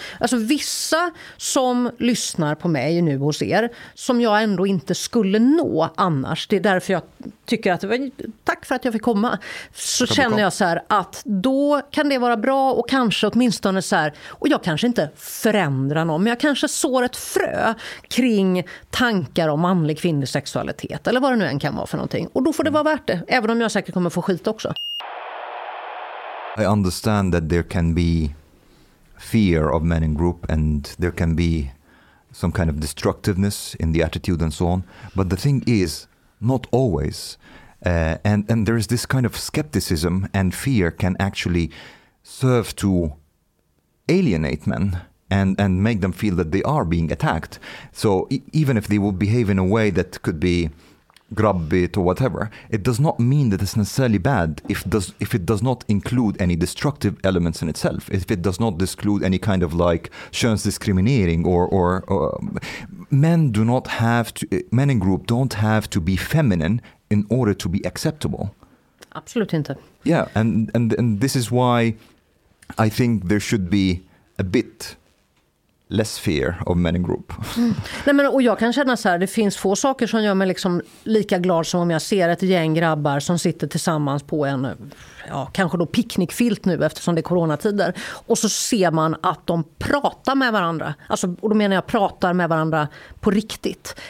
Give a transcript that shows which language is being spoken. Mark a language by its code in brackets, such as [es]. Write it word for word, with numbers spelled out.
[sv] Alltså vissa som lyssnar på mig nu hos er, som jag ändå inte skulle nå annars, det är därför jag tycker att, tack för att jag fick komma, så jag känner jag så här att då kan det vara bra, och kanske åtminstone så här, och jag kanske inte förändrar någon, men jag kanske sår ett frö kring tankar om manlig kvinnlig sexualitet, eller vad det nu än kan vara för någonting, och då får det vara värt det, även om jag säkert kommer få skit också. [en] I understand that there can be fear of men in group, and there can be some kind of destructiveness in the attitude and so on. But the thing is, not always. Uh, and, and there is this kind of skepticism and fear can actually serve to alienate men and, and make them feel that they are being attacked. So e- even if they will behave in a way that could be grabbit or whatever, it does not mean that it's necessarily bad if does if it does not include any destructive elements in itself, if it does not exclude any kind of like könsdiskriminering or, or or men do not have to men in group don't have to be feminine in order to be acceptable. [sv] Absolut inte. [en] Yeah, and and and this is why I think there should be a bit less fear of men in group. Mm. [sv] Nej, men, och jag kan känna så här, det finns få saker som gör mig liksom lika glad som om jag ser ett gäng grabbar som sitter tillsammans på en, ja, kanske då picknickfilt nu eftersom det är coronatider. Och så ser man att de pratar med varandra. Alltså, och då menar jag pratar med varandra på riktigt.